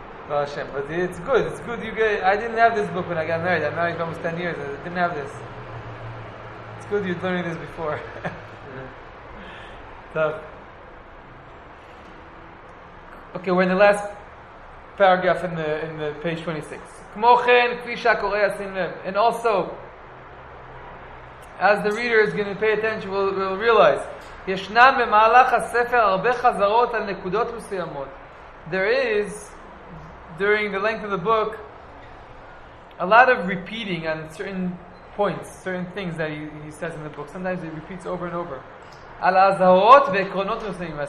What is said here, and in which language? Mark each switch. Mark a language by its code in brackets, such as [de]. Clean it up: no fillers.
[en] But it's good. It's good you get. I didn't have this book when I got married. I married for almost 10 years. I didn't have this. It's good you're learning this before. Okay, we're in the last paragraph in the page 26. [he] כמו כן, כפי שהקורא ישים לב. [en] And also, as the reader is going to pay attention, we'll realize, [he] ישנם במהלך הספר הרבה חזרות על נקודות מסוימות. [en] There is, during the length of the book, a lot of repeating on certain points, certain things that he says in the book. Sometimes it repeats over and over. [he] על הזהרות ועקרונות מסוימות.